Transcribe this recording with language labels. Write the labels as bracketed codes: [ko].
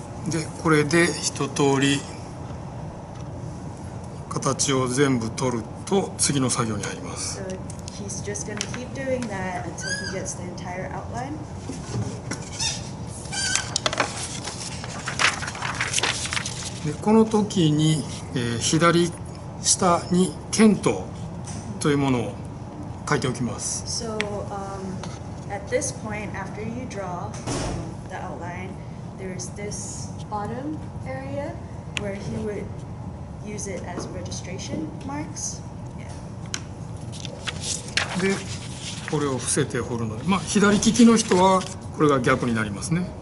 [ja] でこれで一通り形を全部取ると次の作業に入ります。 [en] He's just going to keep doing that until he gets the entire outline. [ja] でこの時に、左下に剣とというものを書いておきます。 [en] So, at this point, after you draw the outline, there's this bottom area where he would use it as registration marks. [ja] でこれを伏せて彫るので、まあ、左利きの人はこれが逆になりますね。